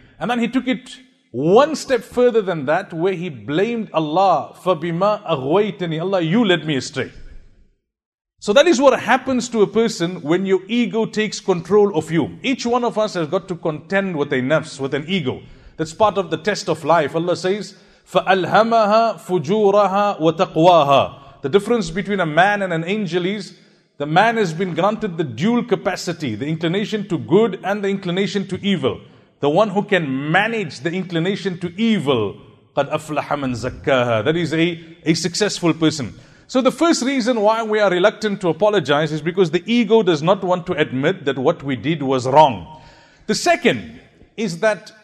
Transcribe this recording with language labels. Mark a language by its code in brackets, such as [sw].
[en] And then he took it one step further than that, where he blamed Allah, [ar] فَبِمَا أَغْوَيْتَنِي, [en] Allah, you led me astray. So that is what happens to a person when your ego takes control of you. Each one of us has got to contend with a nafs, with an ego. That's part of the test of life. Allah says, [ar] فَأَلْهَمَهَا فُجُورَهَا وَتَقْوَاهَا. [en] The difference between a man and an angel is, the man has been granted the dual capacity, the inclination to good and the inclination to evil. The one who can manage the inclination to evil, [ar] قَدْ أَفْلَحَ مَنْ زَكَّاهَا, [en] that is a successful person. So the first reason why we are reluctant to apologize is because the ego does not want to admit that what we did was wrong. The second is that